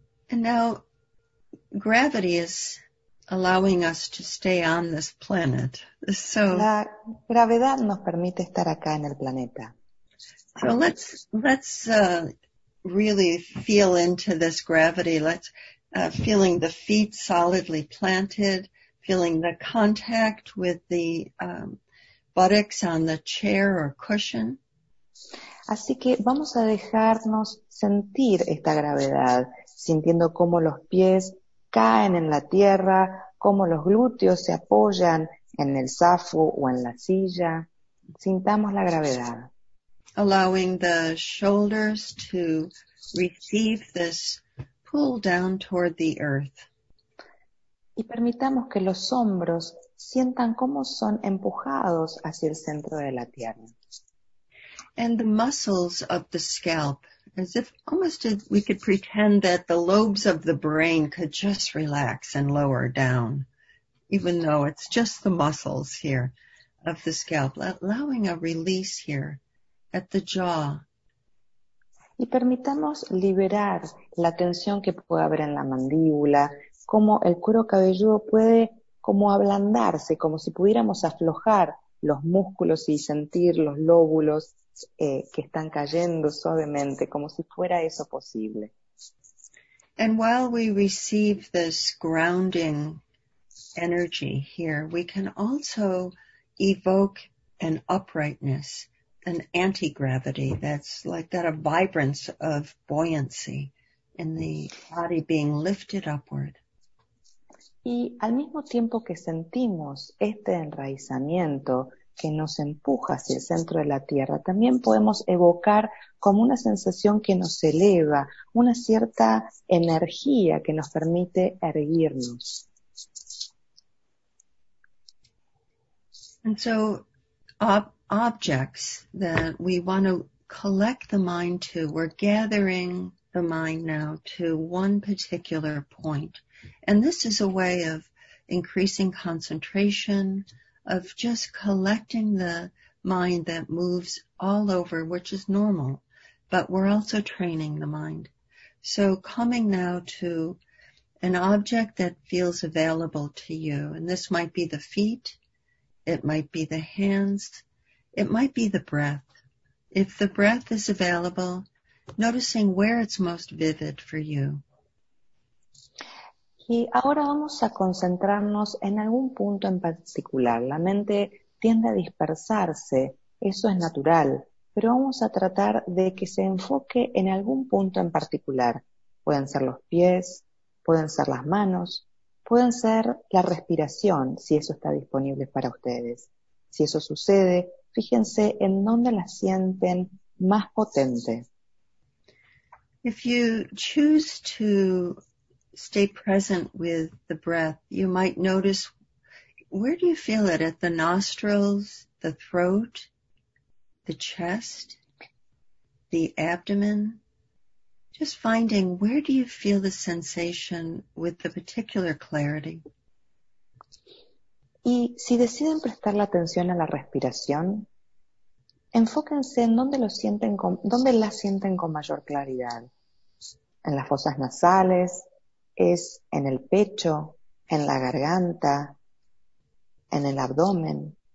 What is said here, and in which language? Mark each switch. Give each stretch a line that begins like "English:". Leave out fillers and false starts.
English: And now, gravity is allowing us to stay on this planet. So,
Spanish: la gravedad nos permite estar acá en el planeta.
English: So let's really feel into this gravity. Let's feeling the feet solidly planted, feeling the contact with the buttocks on the chair or cushion.
Spanish: Así que vamos a dejarnos sentir esta gravedad, sintiendo cómo los pies caen en la tierra, cómo los glúteos se apoyan en el zafu o en la silla. Sintamos la gravedad.
English: Allowing the shoulders to receive this pull down toward the earth.
Spanish: Y permitamos que los hombros sientan cómo son empujados hacia el centro de la tierra.
English: And the muscles of the scalp, as if almost as we could pretend that the lobes of the brain could just relax and lower down, even though it's just the muscles here of the scalp, allowing a release here at the jaw.
Spanish: Y permitamos liberar la tensión que puede haber en la mandíbula, como el cuero cabelludo puede como ablandarse, como si pudiéramos aflojar los músculos y sentir los lóbulos que están cayendo suavemente, como si fuera eso posible.
English: And while we receive this grounding energy here, we can also evoke an uprightness, an anti-gravity that's like that, a vibrance of buoyancy in the body being lifted upward.
Spanish: Y al mismo tiempo que sentimos este enraizamiento que nos empuja hacia el centro de la tierra, también podemos evocar como una sensación que nos eleva, una cierta energía que nos permite erguirnos.
English: And so, objects that we want to collect the mind to, we're gathering the mind now to one particular point. And this is a way of increasing concentration, of just collecting the mind that moves all over, which is normal, but we're also training the mind. So coming now to an object that feels available to you, and this might be the feet, it might be the hands, it might be the breath. If the breath is available, noticing where it's most vivid for you.
Spanish: Y ahora vamos a concentrarnos en algún punto en particular. La mente tiende a dispersarse, eso es natural, pero vamos a tratar de que se enfoque en algún punto en particular. Pueden ser los pies, pueden ser las manos, pueden ser la respiración, si eso está disponible para ustedes. Si eso sucede, fíjense en dónde la sienten más potente.
English: If you choose to stay present with the breath, you might notice, where do you feel it? At the nostrils, the throat, the chest, the abdomen? Just finding, where do you feel the sensation with the particular clarity?
Spanish: Y si deciden prestar la atención a la respiración, enfóquense en dónde la sienten con mayor claridad. En las fosas nasales, es en el pecho, en la garganta, en el abdomen.